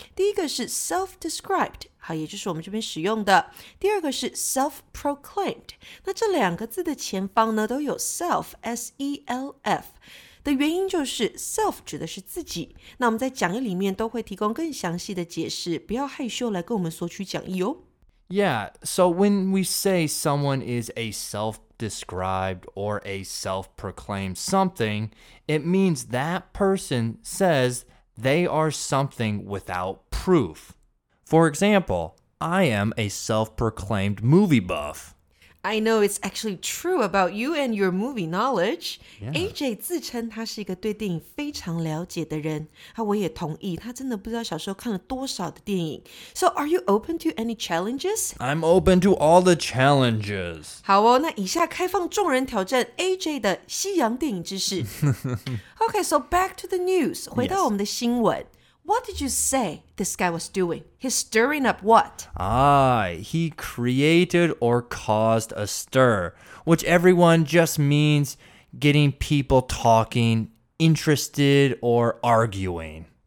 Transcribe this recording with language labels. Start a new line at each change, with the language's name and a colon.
Chinese: 第一个是 self-described,好，也就是我们这边使用的。第二个是 self-proclaimed。那这两个字的前方呢，都有 self, S-E-L-F。的原因就是 self 指的是自己。那我们在讲义里面都会提供更详细的解释，不要害羞来跟我们索取讲义哦。
English: Yeah, so when we say someone is a self-described or a self-proclaimed something, it means that person says they are something without proof. For example, I am a self-proclaimed movie buff. I know it's actually true about you and your movie knowledge.
Chinese: Yeah. AJ 自称他是一个对电影非常了解的人。我也同意，他真的不知道小时候看了多少的电影。
English: So are you open to any challenges? I'm open to all the challenges.
Chinese: 好哦，那以下开放众人挑战 AJ 的西洋电影知识。
English: Okay, so back to the news.
Chinese: 回到我们的新闻。
English: Yes. What did you say this guy was doing? He's stirring up what? He created or caused a stir, which everyone just means getting people talking, interested, or arguing.